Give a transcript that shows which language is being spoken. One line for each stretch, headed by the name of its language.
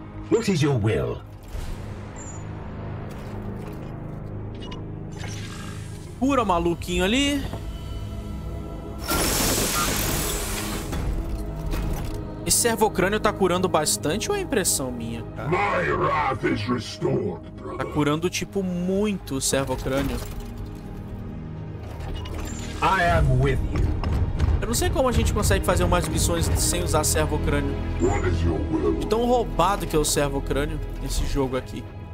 English: What is your will?
Portuguese: Cura o maluquinho ali. Esse servocrânio tá curando bastante ou é impressão minha, cara?
English: My wrath is restored, brother.
Portuguese: Tá curando, tipo, muito o servocrânio.
English: I am with you.
Portuguese: Eu não sei como a gente consegue fazer umas missões sem usar servocrânio. Tão roubado que é o servocrânio nesse jogo aqui.